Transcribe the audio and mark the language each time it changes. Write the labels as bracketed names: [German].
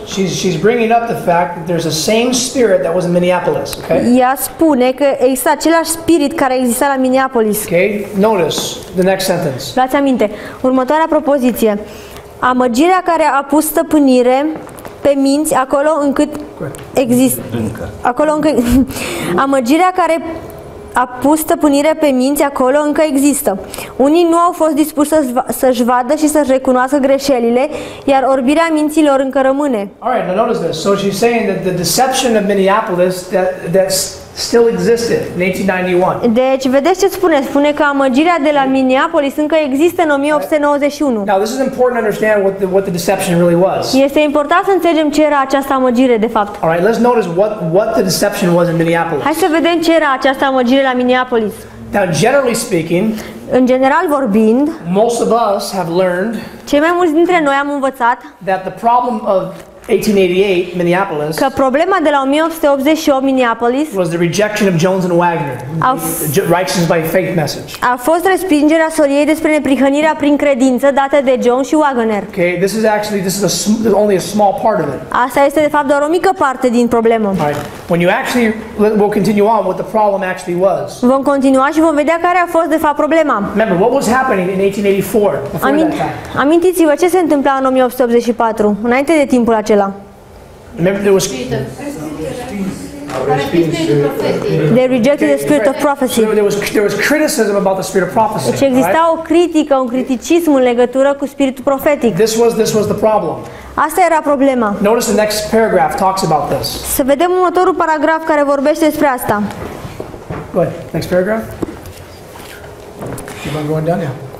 [English] She's bringing up the fact that there's the same spirit that was in Minneapolis, okay? [Romanian] Ea spune că există același spirit care exista la Minneapolis. [English] Okay? Notice the next sentence. [Romanian] Luați aminte. Următoarea propoziție. Amăgirea care a pus stăpânire pe minți acolo încât există acolo încă amăgirea care a pus stăpânire pe minți acolo încă există. Unii nu au fost dispuși să-și vadă și să-și recunoască greșelile, iar orbirea minților încă rămâne. [English] All right, now notice this. So she's saying that the deception of Minneapolis that still existed in 1891. [Romanian] Deci vedeți ce spune? Spune că amăgirea de la Minneapolis încă există în 1891. [English] Now this is important to understand what the deception really was. [Romanian] Este important să înțelegem ce era această amăgire de fapt. [English] All right, let's notice what the deception was in Minneapolis. [Romanian] Hai să vedem ce era această amăgire la Minneapolis. [English] Now generally speaking, [Romanian] în general vorbind, [English] most of us have learned, [Romanian] cei mai mulți dintre noi am învățat, [English] that the problem of 1888 Minneapolis. [Romanian] Că problema de la 1888 Minneapolis [English] was the rejection of Jones and Wagner. Righteousness by faith message. [Romanian] A fost respingerea soliei despre neprihănirea prin credință dată de Jones și Wagner. [English] Okay, this is only a small part of it. [Romanian] Asta este de fapt doar o mică parte din problemă. [English] When you actually we'll continue on what the problem actually was. [Romanian] Vom continua și vom vedea care a fost de fapt problema. [English] Remember what was happening in 1884 before that time. [Romanian] Amintiți-vă ce se întâmpla în 1884, înainte de timpul acela. [English] Remember there was they rejected the spirit of prophecy. So there was criticism about the spirit of prophecy. [Romanian] Deci exista o critică, un criticism în legătură cu spiritul profetic. [English] This was the problem. [Romanian] Asta era problema. [English] Notice the next paragraph talks about this. [Romanian] Să vedem următorul paragraf care vorbește despre asta. [English] Go ahead. Next paragraph. Keep on going down, yeah.